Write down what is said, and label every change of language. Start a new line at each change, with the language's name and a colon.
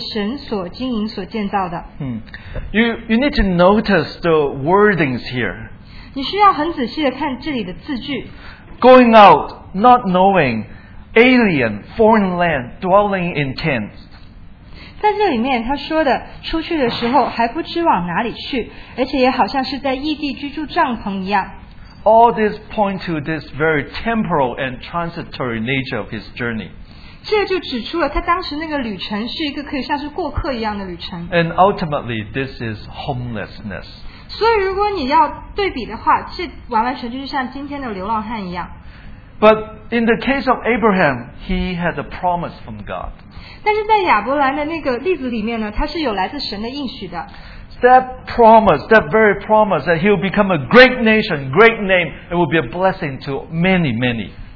Chinese: 亚伯拉罕因着信蒙召的时候就遵命出去，往将来要得为业的地方去。出去的时候还不知往哪里去。他因着信就在所应许之地做客，好像在异地居住帐篷，与那同盟一个应许的以撒雅各一样，因为他等候那座有根基的城，就是神所经营所建造的。嗯，
English: you need to notice the wordings here.
Chinese: 你需要很仔细的看这里的字句。
English: Going out, not knowing, alien, foreign land, dwelling in tents.
Chinese: 在这里面他说的，出去的时候还不知往哪里去，而且也好像是在异地居住帐篷一样。
English: All this point to this very temporal and transitory nature of his journey.
Chinese: 这就指出了他当时那个旅程是一个可以像是过客一样的旅程。
English: And ultimately, this is homelessness.
Chinese: 所以如果你要对比的话，这完完全就是像今天的流浪汉一样。
English: But in the case of Abraham, he had a promise from God.
Chinese: 但是在亚伯兰的那个例子里面呢，他是有来自神的应许的。
English: That promise, that very promise that he will become a great nation, great name, it will be a blessing to many, many.